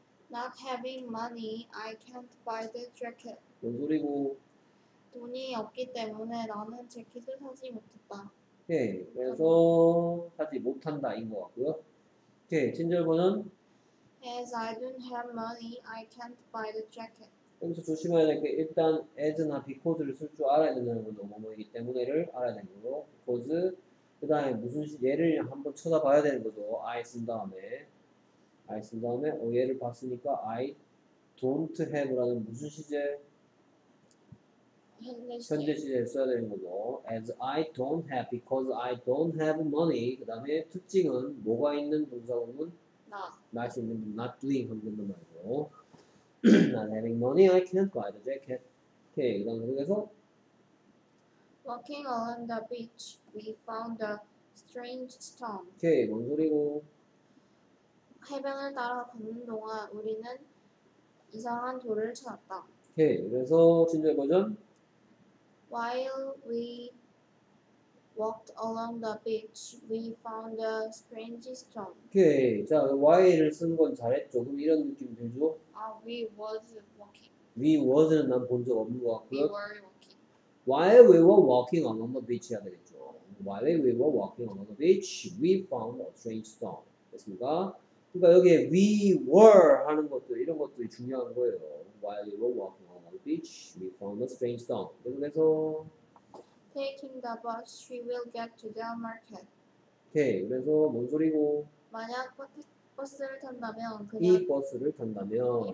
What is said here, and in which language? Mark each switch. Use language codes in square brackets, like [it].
[en] Not having money, I can't buy the jacket. [ko] 뭔 소리고? 돈이 없기 때문에 나는 재킷을 사지 못했다. 오케이, 그래서 사지 못한다 인 것 같고요. 오케이, 친절번은? [en] As I don't have money, I can't buy the jacket. [ko] 여기서 조심해야 될 게 일단 as나 because를 쓸 줄 알아야 된다는 건 뭐뭐이기 때문에를 알아야 되는 거고 because 그 다음에 무슨 예를 한번 쳐다봐야 되는 거죠. I 쓴 다음에 예를 봤으니까 I don't have 라는 무슨 시제? 현재 시제 써야 되는 거죠. [en] As I don't have, because I don't have money. [ko] 그 다음에 특징은 뭐가 있는 동사구문? [en] Not. Not, not doing 함정도 말고. Not having money, I can't buy the jacket. [ko] 오케이, 그 다음 그래서 [en] Walking on the beach, we found a strange stone. [ko] 오케이, 뭔 소리고? 해변을 따라 걷는 동안 우리는 이상한 돌을 찾았다. 오케이, 그래서 진절 버전? [en] While we walked along the beach, we found a strange stone. [ko] 오케이, 자, while을 쓴 건 잘했죠. 그럼 이런 느낌 들죠? [en] We was walking. [ko] We was 는 난 본 적 없는 것 같고요. [en] We were walking. While we were walking along the beach 해야 되겠죠. While we were walking along the beach, we found a strange stone. 됐습니까? [ko] 그러니까 여기에 we were 하는 것도 이런 것도 중요한 거예요. [en] While we were walking on the beach, we found a strange stone. 그래서 taking the bus, we will get to the market. [ko] 오케이, 그래서 뭔 소리고? 만약 버스를 탄다면 그녀는 이 버스를 탄다면